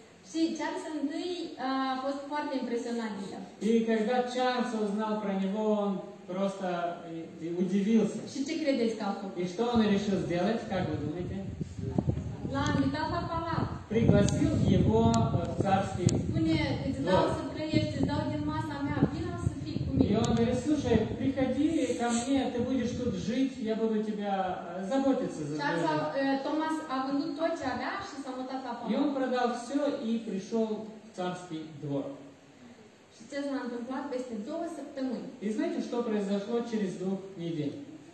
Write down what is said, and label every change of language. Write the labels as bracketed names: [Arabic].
[Romanian] Și Charles I a fost foarte impresionat de el. [Russian] И когда Чарльз узнал про него, он просто удивился. [Romanian] Și ce credeți că a făcut? [Russian] И что он решил сделать, как вы думаете? [Romanian] L-a invitat la palat. [Russian] Пригласил его в царский двор. [Romanian] Spune, îți dau să trăiești, îți dau din masa mea, vino să fii cu мене. [Russian] И он говорит, слушай, приходи ко мне, ты будешь тут жить, я буду тебя заботиться. [Romanian] Чарльз, Томас a vândut tot ce avea și s-a mutat la palat. [Russian] И он продал все и пришел в царский двор. И знаете, что произошло через двух недель?